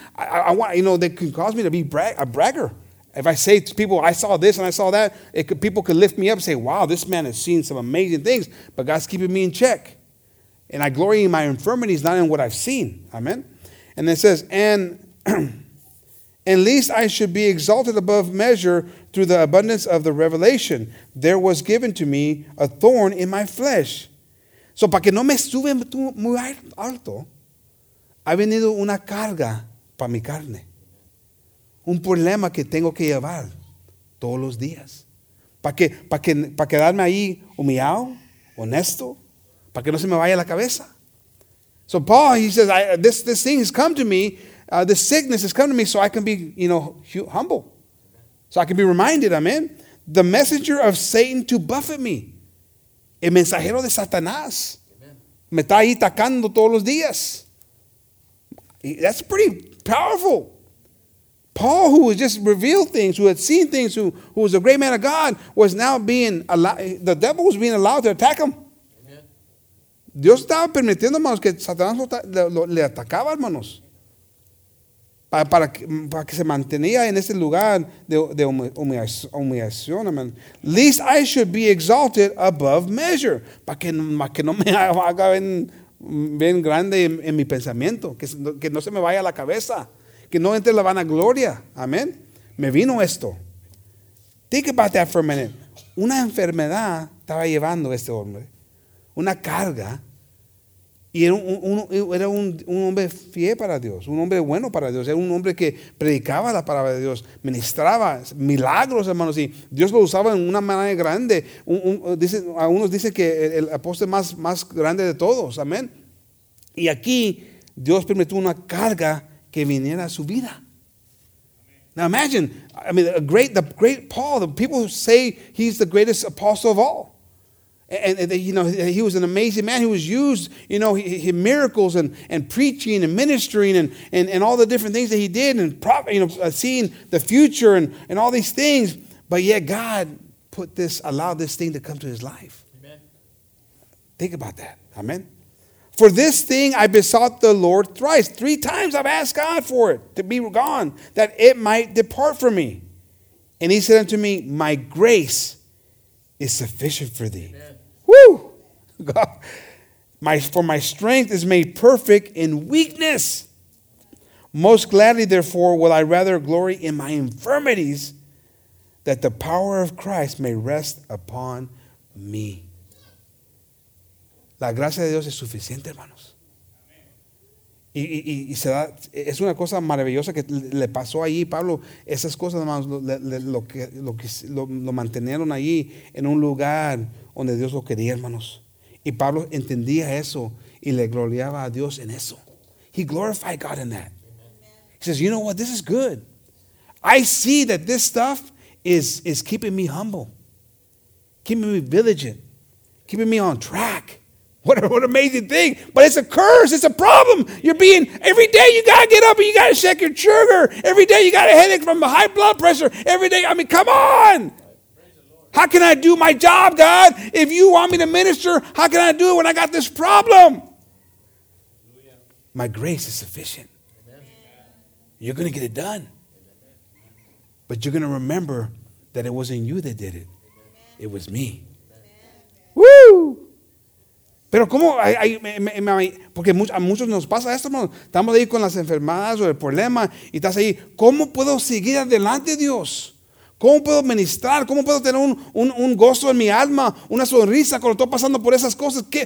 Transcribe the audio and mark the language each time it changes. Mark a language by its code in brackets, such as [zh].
[en] These things can cause me to be a bragger. If I say to people, I saw this and I saw that, people could lift me up and say, wow, this man has seen some amazing things, but God's keeping me in check. And I glory in my infirmities, not in what I've seen. Amen? And it says, and lest I should be exalted above measure through the abundance of the revelation, there was given to me a thorn in my flesh. [es] So, para que no me sube muy alto, ha venido una carga para mi carne. Un problema que tengo que llevar todos los días. Para quedarme ahí humillado, honesto, para que no se me vaya la cabeza. [en] So Paul, he says, this thing has come to me, this sickness has come to me so I can be, humble. So I can be reminded, amen. The messenger of Satan to buffet me. [es] El mensajero de Satanás. Amen. Me está ahí atacando todos los días. [en] That's pretty powerful. Paul, who has just revealed things, who had seen things, who was a great man of God, was now being allowed, the devil was being allowed to attack him. Amen. [es] Dios estaba permitiendo, hermanos, que Satanás le atacaba, hermanos. Para que se mantenía en ese lugar de humillación, amen. [en] Lest I should be exalted above measure. [es] Para que no me haga bien grande en mi pensamiento. Que no se me vaya la cabeza. Que no entre la vanagloria. Amén. Me vino esto. [en] Think about that for a minute. [es] Una enfermedad estaba llevando a este hombre. Una carga. Y era un hombre fiel para Dios. Un hombre bueno para Dios. Era un hombre que predicaba la palabra de Dios. Ministraba milagros, hermanos. Y Dios lo usaba en una manera grande. Algunos dicen que el apóstol más grande de todos. Amén. Y aquí Dios permitió una carga que viniera a su vida. [en] Now imagine, I mean, the great Paul, the people who say he's the greatest apostle of all. And he was an amazing man. He was used, his miracles and preaching and ministering and all the different things that he did and seeing the future and all these things. But yet God allowed this thing to come to his life. Amen. Think about that. Amen. For this thing I besought the Lord thrice. Three times I've asked God for it to be gone, that it might depart from me. And he said unto me, my grace is sufficient for thee. Amen. Woo! God, my strength is made perfect in weakness. Most gladly, therefore, will I rather glory in my infirmities, that the power of Christ may rest upon me. [es] La gracia de Dios es suficiente, hermanos. Y se da, es una cosa maravillosa que le pasó ahí, Pablo. Esas cosas, hermanos, lo mantenieron ahí en un lugar donde Dios lo quería, hermanos. Y Pablo entendía eso y le gloriaba a Dios en eso. [en] He glorified God in that. Amen. He says, you know what? This is good. I see that this stuff is keeping me humble, keeping me vigilant, keeping me on track. What an amazing thing. But it's a curse. It's a problem. You're being, every day you got to get up and you got to check your sugar. Every day you got a headache from high blood pressure. Every day, I mean, come on. How can I do my job, God? If you want me to minister, how can I do it when I got this problem? My grace is sufficient. You're going to get it done. But you're going to remember that it wasn't you that did it. It was me. Woo! [es] Pero cómo porque a muchos nos pasa esto, hermano. Estamos ahí con las enfermedades o el problema y estás ahí. ¿Cómo puedo seguir adelante, Dios? ¿Cómo puedo ministrar? ¿Cómo puedo tener un gozo en mi alma, una sonrisa cuando estoy pasando por esas cosas?